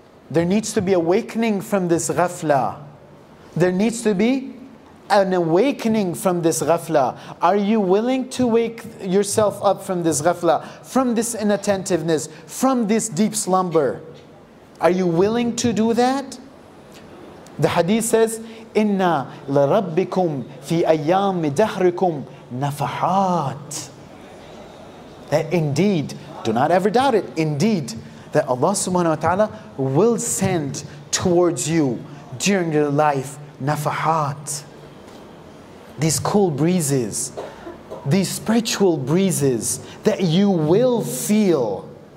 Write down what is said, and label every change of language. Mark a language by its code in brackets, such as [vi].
[en] There needs to be awakening from this ghafla. There needs to be an awakening from this ghafla. Are you willing to wake yourself up from this ghafla, from this inattentiveness, from this deep slumber? Are you willing to do that? The hadith says, [ar] إِنَّا لَرَبِّكُمْ فِي أَيَّامِ دَهْرِكُمْ نَفَحَاتٍ. [en] That indeed, do not ever doubt it, indeed, that Allah subhanahu wa ta'ala will send towards you during your life nafahat. These cool breezes, these spiritual breezes that you will feel.